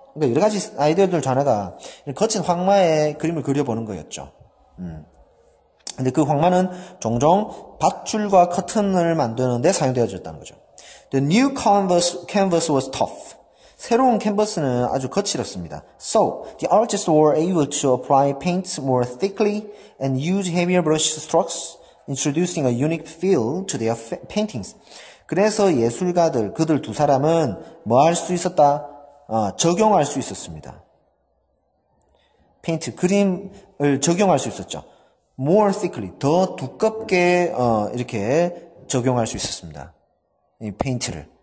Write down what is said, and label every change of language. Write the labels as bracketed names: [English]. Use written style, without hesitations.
[Korean] 그러니까 여러 가지 아이디어들 전에가 거친 황마에 그림을 그려보는 거였죠. 근데 그 황마는 종종 밧줄과 커튼을 만드는 데 사용되어졌다는 거죠. [English] The new canvas was tough. [Korean] 새로운 캔버스는 아주 거칠었습니다. [English] So, the artists were able to apply paints more thickly and use heavier brush strokes, introducing a unique feel to their paintings. [Korean] 그래서 예술가들, 그들 두 사람은 뭐할수 있었다? 적용할 수 있었습니다. 페인트, 그림을 적용할 수 있었죠. [English] More thickly, [Korean] 더 두껍게 이렇게 적용할 수 있었습니다. 이 페인트를.